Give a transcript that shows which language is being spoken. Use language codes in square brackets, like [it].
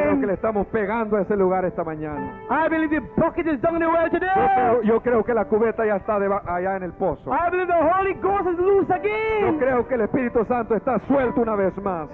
[es] Yo creo que le estamos pegando a ese lugar esta mañana. [en] I believe the bucket is down the well today. [es] Yo creo que la cubeta ya está allá en el pozo. [en] I believe the Holy Ghost is loose again. [es] Yo creo que el Espíritu Santo está suelto una vez más.